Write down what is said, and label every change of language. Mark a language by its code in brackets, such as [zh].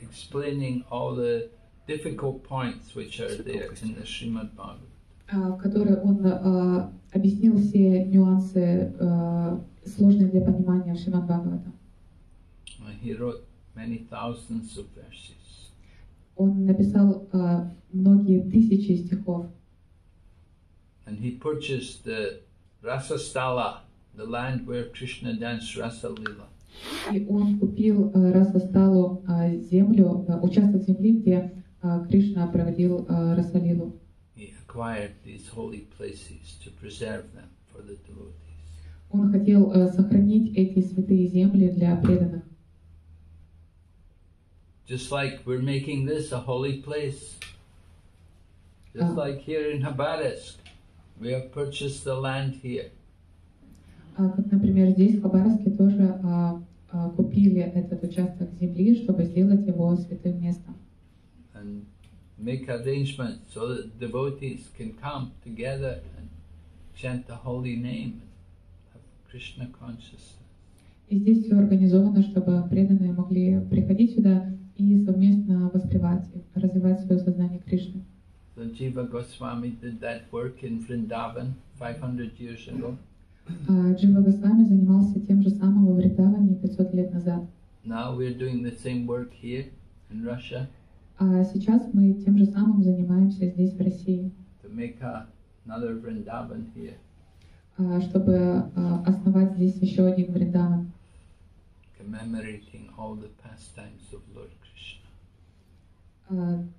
[en] Explaining all the difficult points which are there in the Srimad Bhagavatam. [ru] В которой он объяснил все нюансы, сложные для понимания в Шримад-Бхагаватам. [en] He wrote many thousands of verses. [ru] Он написал многие тысячи стихов. [en] And he purchased the Rasastala, the land where Krishna danced Rasa Lila. [ru] И он купил Расасталу, землю, участок земли, где Кришна проводил Расалилу. [en] He acquired these holy places to preserve them for the devotees. [ru] Он хотел сохранить эти святые земли для преданных. [en] Just like we're making this a holy place. Just like here in Khabarovsk, we have purchased the land here. [ru] Как, например, здесь, в Хабаровске, тоже купили этот участок земли, чтобы сделать его святым местом. [en] And make arrangements so that devotees can come together and chant the holy name of Krishna consciousness. [ru] И здесь все организовано, чтобы преданные могли приходить сюда и совместно воспевать, развивать свое сознание Кришны. [en] So Jiva Goswami did that work in Vrindavan 500 years ago. [ru] Джива Госвами занимался тем же самым во Вриндаване 500 лет назад. [en] Now we're doing the same work here in Russia. [ru] Сейчас мы тем же самым занимаемся здесь, в России. [en] To make another Vrindavan here. [ru] Чтобы основать здесь еще один Вриндаван. [en] Commemorating all the pastimes of Lord Krishna.